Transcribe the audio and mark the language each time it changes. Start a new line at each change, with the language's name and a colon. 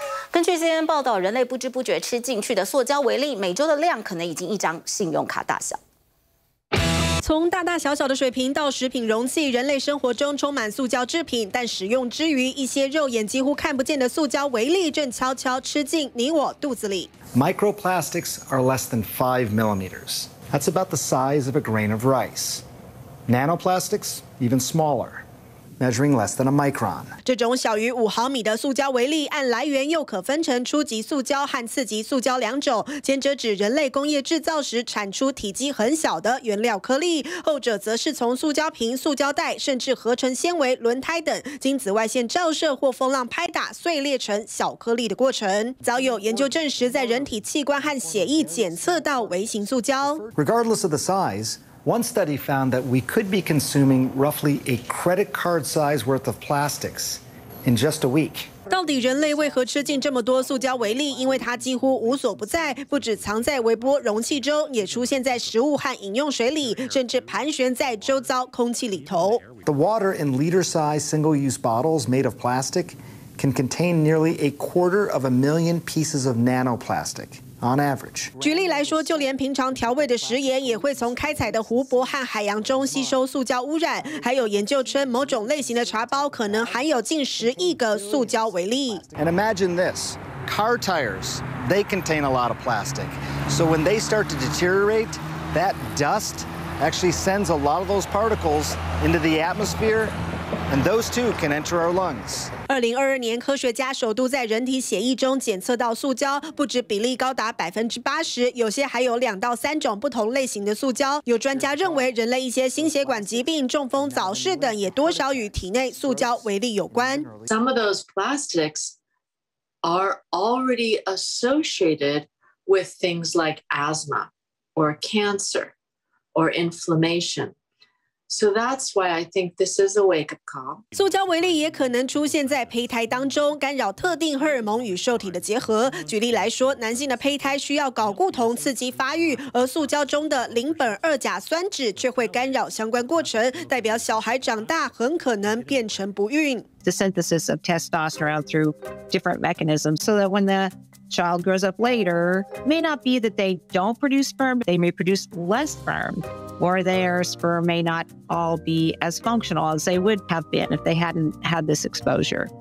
Chinese: 根据 CNN 报道，人类不知不觉吃进去的塑胶微粒，每周的量可能已经一张信用卡大小。从大大小小的水瓶到食品容器，人类生活中充满塑胶制品，但使用之余，一些肉眼几乎看不见的塑胶微粒正悄悄吃进你我肚子里。
English: Microplastics are less than 5 millimeters. That's about the size of a grain of rice. Nanoplastics, even smaller. Measuring less than a micron.
Chinese: 这种小于五毫米的塑胶微粒，按来源又可分成初级塑胶和次级塑胶两种。前者指人类工业制造时产出体积很小的原料颗粒，后者则是从塑胶瓶、塑胶袋，甚至合成纤维、轮胎等经紫外线照射或风浪拍打碎裂成小颗粒的过程。早有研究证实，在人体器官和血液检测到微型塑胶。
English: Regardless of the size. One study found that we could be consuming roughly a credit card size worth of plastics in just a week。
Chinese: 到底人类为何吃进这么多塑胶微粒？因为它几乎无所不在，不止藏在微波容器中，也出现在食物和饮用水里，甚至盘旋在周遭空气里头。
English: The water in liter-sized single-use bottles made of plastic can contain nearly a quarter of a million pieces of nanoplastic. On average,
Chinese: 举例来说，就连平常调味的食盐也会从开采的湖泊和海洋中吸收塑胶污染。还有研究称，某种类型的茶包可能含有近十亿个塑胶微粒。
English: And imagine this, car tires, they contain a lot of plastic. So when they start to deteriorate, that dust actually sends a lot of those particles into the atmosphere. And those two can enter our lungs.
Chinese: 2022年，科学家首度在人体血液中检测到塑胶，不止比例高达80%，有些还有2到3种不同类型的塑胶。有专家认为，人类一些心血管疾病、中风、早逝等，也多少与体内塑胶微粒有关。
English: Some of those plastics are already associated with things like asthma, or cancer, or inflammation. So that's why I think this is a wake-up call.
Chinese: 塑胶微粒也可能出现在胚胎当中，干扰特定荷尔蒙与受体的结合。举例来说，男性的胚胎需要睾固酮刺激发育，而塑胶中的邻苯二甲酸酯却会干扰相关过程，代表小孩长大很可能变成不孕。
English: The synthesis of testosterone through different mechanisms, so that when the child grows up later, may not be that they don't produce sperm, they may produce less sperm. Or their sperm may not all be as functional as they would have been if they hadn't had this exposure.